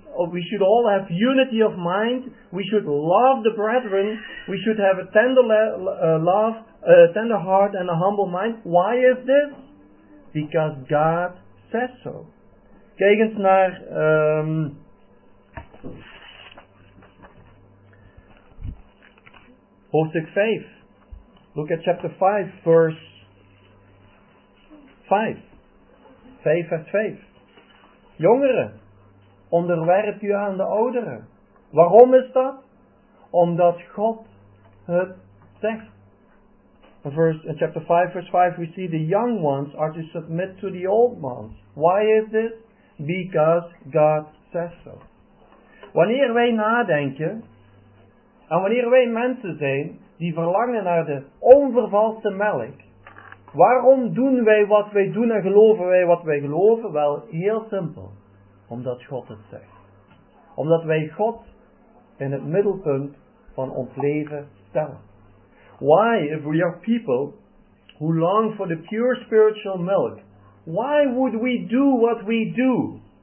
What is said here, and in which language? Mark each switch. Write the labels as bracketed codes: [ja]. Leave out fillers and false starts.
[en] We should all have unity of mind. We should love the brethren. We should have a tender love, a tender heart and a humble mind. Why is this? Because God says so. [nl] Kijk eens naar, hoofdstuk 5. [en] Look at chapter 5 verse 5 [nl] vers 5. Jongeren, onderwerp u aan de ouderen. Waarom is dat? Omdat God het zegt. [en] In chapter 5, verse 5, we see the young ones are to submit to the old ones. Why is this? Because God says so. [nl] Wanneer wij nadenken, en wanneer wij mensen zijn die verlangen naar de onvervalste melk, waarom doen wij wat wij doen en geloven wij wat wij geloven? Wel, heel simpel. Omdat God het zegt. Omdat wij God in het middelpunt van ons leven stellen. [en] Why, if we are people who long for the pure spiritual milk, why would we do what we do?